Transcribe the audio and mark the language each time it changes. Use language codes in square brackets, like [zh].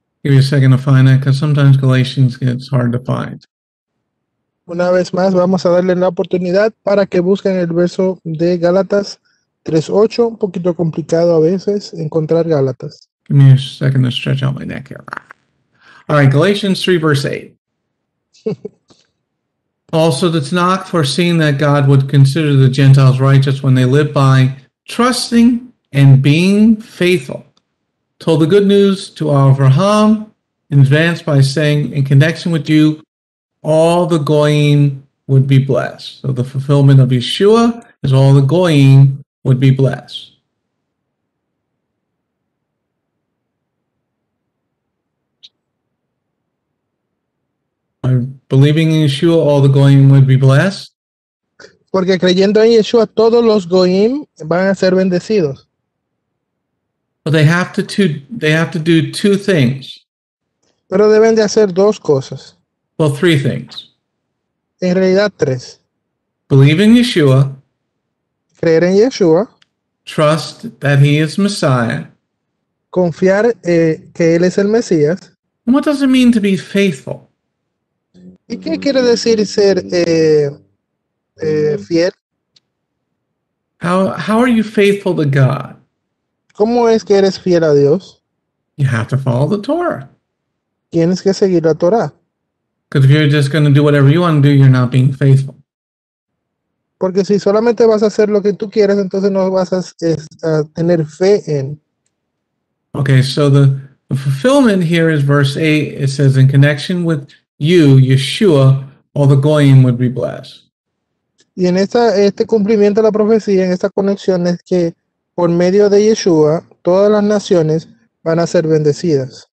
[en] Give me a second to find that, because sometimes Galatians gets hard to find. [es] Una vez más, vamos a darle la oportunidad para que busquen el verso de Gálatas 3:8, un poquito complicado a veces encontrar Gálatas. [en] Give me a second to stretch out my neck here. All right, Galatians 3, verse 8. Also, the Tanakh, foreseeing that God would consider the Gentiles righteous when they live by trusting and being faithful, told the good news to Abraham in advance by saying, in connection with you, all the goyim would be blessed. So the fulfillment of Yeshua is all the goyim would be blessed. Believing in Yeshua, all the goyim would be blessed. [es] Porque creyendo en Yeshua, todos los goyim van a ser bendecidos. [en] But they have to do two things. [es] Pero deben de hacer dos cosas. [en] Well, three things. [es] En realidad, tres. [en] Believe in Yeshua. [es] Creer en Yeshua. [en] Trust that he is Messiah. [es] Confiar que él es el Mesías. [en] And what does it mean to be faithful? [es] ¿Y qué quiere decir ser fiel? [en] How are you faithful to God? [es] ¿Cómo es que eres fiel a Dios? [en] You have to follow the Torah. [es] Tienes que seguir la Torah. [en] Because if you're just going to do whatever you want to do, you're not being faithful. [es] Porque si solamente vas a hacer lo que tú quieres, entonces no vas a tener fe en. [en] Okay, so the fulfillment here is verse 8. It says, in connection with you, Yeshua, all the goyim would be blessed. [es] Y en este cumplimiento de la profecía, en esta conexión, es que por medio de Yeshua, todas las naciones van a ser bendecidas.